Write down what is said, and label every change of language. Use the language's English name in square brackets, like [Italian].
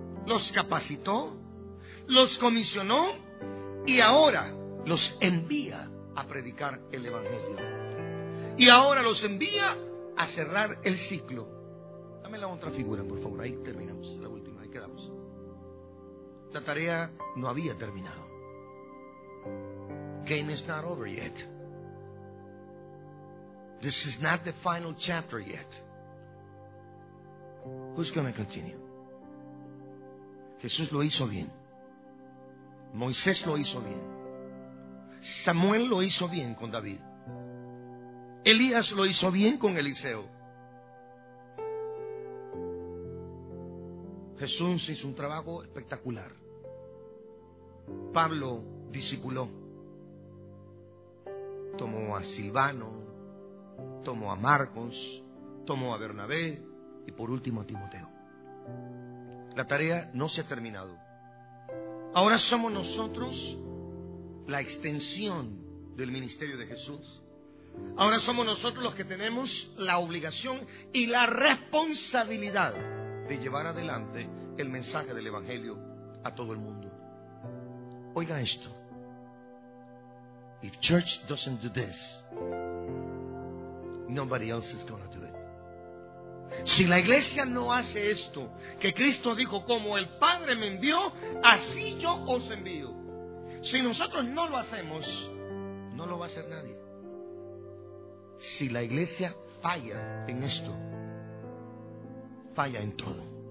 [Spanish] los capacitó, los comisionó y ahora los envía a predicar el Evangelio. Y ahora los envía a cerrar el ciclo. Dame la otra figura, por favor. Ahí terminamos, la última, ahí quedamos. La tarea no había terminado. [English] Game is not over yet. This is not the final chapter yet. Who's going to continue? [Spanish] Jesús lo hizo bien. Moisés lo hizo bien. Samuel lo hizo bien con David. Elías lo hizo bien con Eliseo. Jesús hizo un trabajo espectacular. Pablo discipuló. Tomó a Silvano, tomó a Marcos, tomó a Bernabé y por último a Timoteo. La tarea no se ha terminado. Ahora somos nosotros la extensión del ministerio de Jesús. Ahora somos nosotros los que tenemos la obligación y la responsabilidad de llevar adelante el mensaje del Evangelio a todo el mundo. Oiga esto. [English] If church doesn't do this, nobody else is going to do it. [Spanish] Si la iglesia no hace esto, que Cristo dijo, como el Padre me envió, así yo os envío. Si nosotros no lo hacemos, no lo va a hacer nadie. Si la iglesia falla en esto, falla en todo.